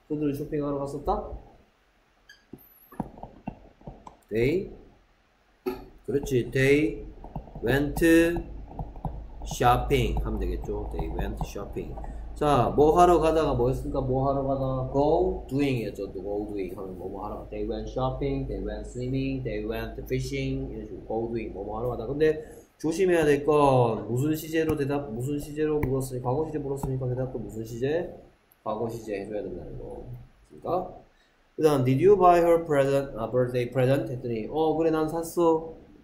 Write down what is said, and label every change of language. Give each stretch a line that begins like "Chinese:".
Korean: 그들은 쇼핑하러 갔었다? They 그렇지.
English: They went shopping
Korean: 하면 되겠죠.
English: They went shopping.
Korean: 자, 뭐 하러 가다가 뭐였습니까? 뭐 하러 가다가 go doing이었죠. go doing 하면 뭐뭐 하러.
English: They went shopping, they went swimming, they went fishing
Korean: 이런 식으로
English: go doing
Korean: 뭐뭐 하러 가다. 근데 조심해야 될건 무슨 시제로 대답, 무슨 시제로 물었으니 과거 시제 물었으니까 대답도 무슨 시제? 과거 시제 해줘야 된다는 거. 그러니까 그다음
English: did you buy her present, birthday present
Korean: 했더니 어 그래 난 샀어.